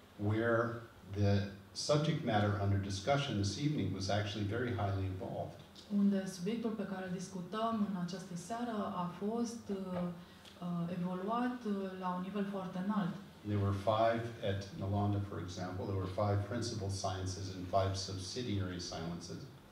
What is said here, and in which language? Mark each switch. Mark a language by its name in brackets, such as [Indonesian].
[English] Where the subject matter under discussion this evening was actually very highly evolved. [Romanian] Unde subiectul pe care îl discutăm în această seară a fost evoluat la un nivel foarte înalt. [English] There were five at Nalanda, for example. There were five principal sciences and five subsidiary sciences.